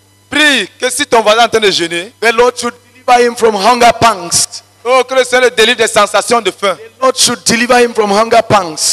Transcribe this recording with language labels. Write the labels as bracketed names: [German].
[French] prie que si ton voisin est en train de jeûner, [English] the Lord should deliver him from hunger pangs. [French] Oh, que le Seigneur le délivre des sensations de faim. [English] The Lord should deliver him from hunger pangs.